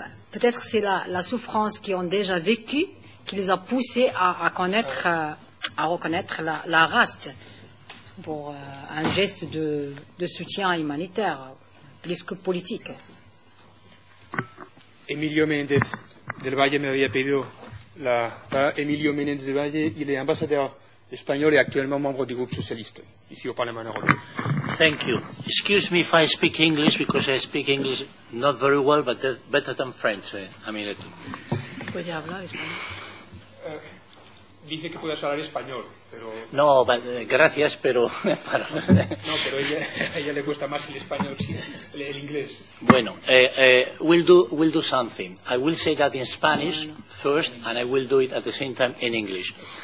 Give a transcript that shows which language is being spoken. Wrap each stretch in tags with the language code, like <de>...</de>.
<fr>Peut-être c'est la souffrance qu'ils ont déjà vécue qui les a poussés à reconnaître la RAST pour un geste de soutien humanitaire plus que politique. Emilio Méndez del Valle</fr> <es>me había pedido</es> <fr>Emilio Méndez del Valle, il est ambassadeur espagnol et actuellement membre du groupe socialiste ici au Parlement européen.</fr> <en>Thank you. Excuse me if I speak English, because I speak English not very well, but better than French, Amileto.</en> <es>¿Puede hablar español? Dice que puede hablar español, pero... No, gracias, pero... No, pero ella le gusta más el español, sí, el inglés.</es> <en>Bueno, we'll do something. I will say that in Spanish first, and I will do it at the same time in English.</en>